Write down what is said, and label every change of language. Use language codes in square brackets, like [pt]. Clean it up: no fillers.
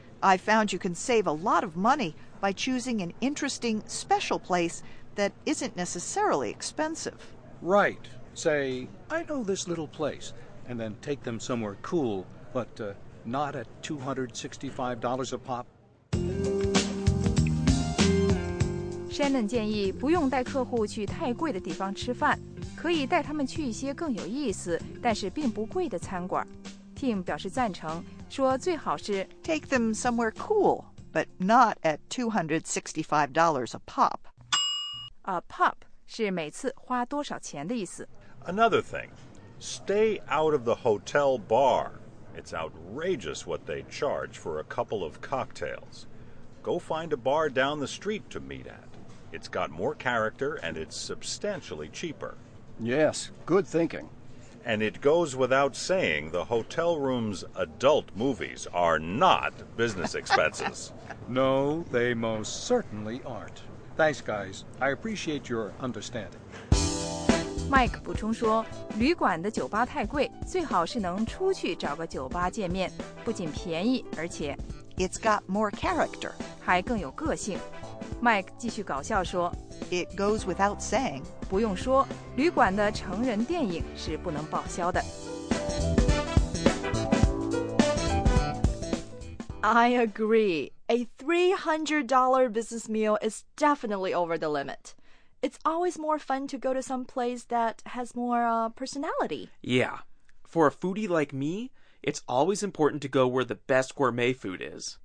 [en] I found you can save a lot of money by choosing an interesting, special place that isn't necessarily expensive. Right. Say, I know this little place, and then take them somewhere cool, but not at $265 a pop. [zh] Shannon 建议不用带客户去太贵的地方吃饭，可以带他们去一些更有意思但是并不贵的餐馆。 Tim 表示赞成，说最好是 [en] Take them somewhere cool, but not at $265 a pop. [zh] A pop 是每次花多少钱的意思。 [en] Another thing, stay out of the hotel bar. It's outrageous what they charge for a couple of cocktails. Go find a bar down the street to meet at. It's got more character, and it's substantially cheaper. Yes, good thinking. And it goes without saying, the hotel room's adult movies are not business expenses. No, they most certainly aren't. Thanks, guys. I appreciate your understanding. [zh] Mike 补充说，旅馆的酒吧太贵，最好是能出去找个酒吧见面，不仅便宜，而且 [en] It's got more character. [zh] 还更有个性。Mike 继续搞笑说 [en] It goes without saying [zh] 不用说旅馆的成人电影是不能报销的 [en] I agree A $300 business meal is definitely over the limit It's always more fun to go to some place that has more personality Yeah, for a foodie like meIt's always important to go where the best gourmet food is.